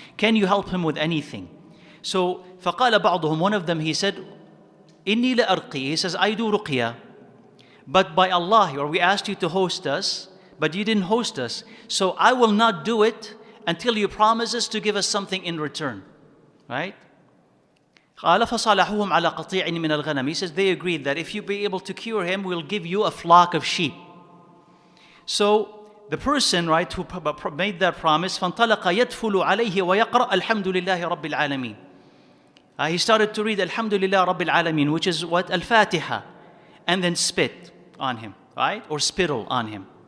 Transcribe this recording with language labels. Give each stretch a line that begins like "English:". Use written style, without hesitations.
English: Can you help him with anything? So,
Arabic: فَقَالَ بَعْضُهُمْ,
English: one of them, he said,
Arabic: إِنِّي لَأَرْقِي,
English: he says, I do ruqya, but by Allah, or we asked you to host us, but you didn't host us, so I will not do it until you promise us to give us something in return, right?
Arabic: قال فصالحوهم على قطيع من الغنم.
English: He says they agreed that if you be able to cure him, we'll give you a flock of sheep. So the person, right, who made that promise,
Arabic: فانطلق يدفل عليه ويقرأ الحمد لله رب العالمين.
English: He started to read
Arabic: الحمد لله رب العالمين,
English: which is what الفاتحة, and then spit on him, right, or spittle on him.